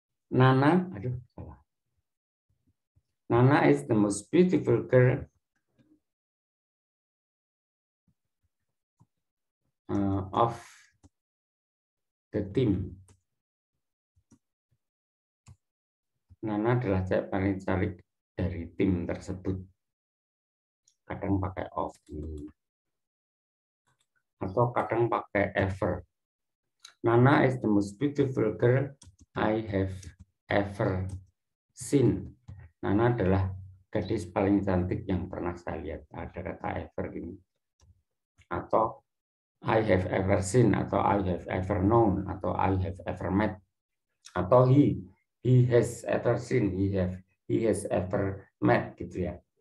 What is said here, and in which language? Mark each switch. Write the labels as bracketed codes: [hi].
[en] Nana is the most beautiful girl of the team. [id] Nana adalah cewek paling cantik dari tim tersebut. Kadang pakai of atau kadang pakai ever. [en] Nana is the most beautiful girl I have ever seen. [id] Nana adalah gadis paling cantik yang pernah saya lihat. Ada kata ever ini. Atau [en] I have ever seen, [id] atau [en] I have ever known, [id] atau [en] I have ever met. [id] Atau [en] he has ever seen, he has ever met, [id] gitu ya.